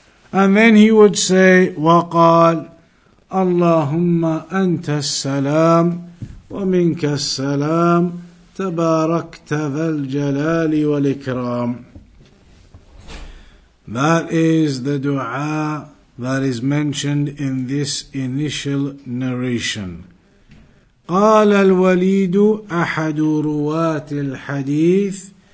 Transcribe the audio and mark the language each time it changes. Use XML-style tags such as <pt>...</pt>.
<en>And then he would say,</en> <ar>وقال, اللهم أنت السلام ومنك السلام تباركت ذا الجلال والإكرام.</ar> <en>That is the dua that is mentioned in this initial narration.</en> <ar>قال الوليد أحد رواة الحديث.</ar>